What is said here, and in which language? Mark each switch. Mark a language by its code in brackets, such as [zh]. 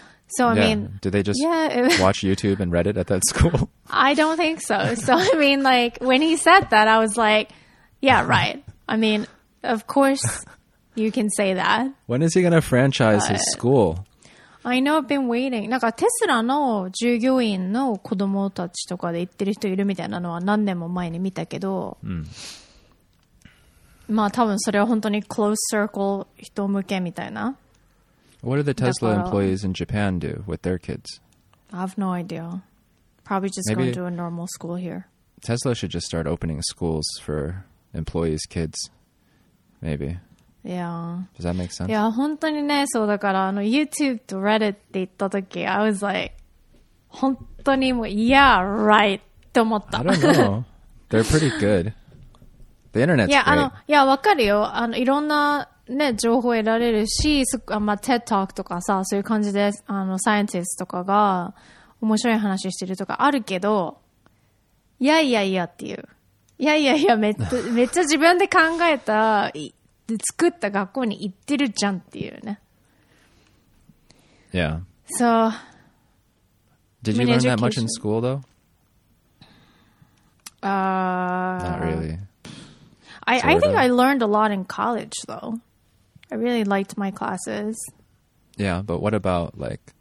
[en] So, I mean, do they just watch YouTube and Reddit at that school? I don't think so. So, I mean, like, when he said that, I was like, yeah, right. I mean, of course you can say that. When is he going to franchise his school? I know, I've been waiting. [ja] なんかテスラの従業員の子供たちとかで行ってる人いるみたいなのは何年も前に見たけど、うん、まあ多分それは本当に [en] close circle [ja] 人向けみたいな。 [en] What do the Tesla employees in Japan do with their kids? I have no idea. Probably just go to a normal school here. Tesla should just start opening schools for employees' kids. Maybe. Yeah. Does that make sense? [ja] いや、本当にね、そうだから、あの、YouTube と Reddit って言ったとき、 [en] I was like, [ja] 本当にもう、 [en] yeah, right! [ja] って思った。 [en] I don't know. They're pretty good. The internet's great. [ja] いや、あの、いや、わかるよ。あの、いろんな、ね、情報を得られるし、まあ、TED Talk とかさ、そういう感じで、あの、サイエンティストとかが、面白い話してるとかあるけど、いやいやいやっていう。いやいやいや、めっちゃ自分で考えた、で作った学校に行ってるじゃんっていうね。 [en] Yeah. So, did you learn that much in school though? Not really. I think I learned a lot in college though. I really liked my classes. Yeah, but what about like